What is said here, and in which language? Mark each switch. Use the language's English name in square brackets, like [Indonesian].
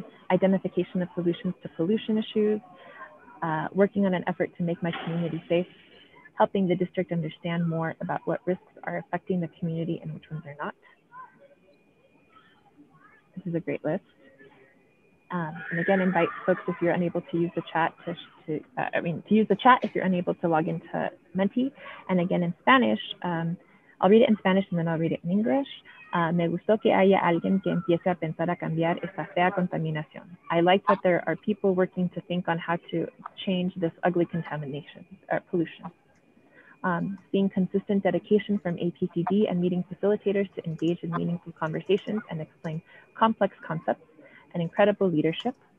[English] identification of solutions to pollution issues, working on an effort to make my community safe, helping the district understand more about what risks are affecting the community and which ones are not. This is a great list. And again, invite folks if you're unable to use the chat to use the chat if you're unable to log into Menti. And again, in Spanish, I'll read it in Spanish and then I'll read it in English. [Spanish] Me gustó que haya alguien que empiece a pensar a cambiar esta fea contaminación. [English] I like that there are people working to think on how to change this ugly contamination or pollution. Seeing consistent dedication from APCD and meeting facilitators to engage in meaningful conversations and explain complex concepts and incredible leadership.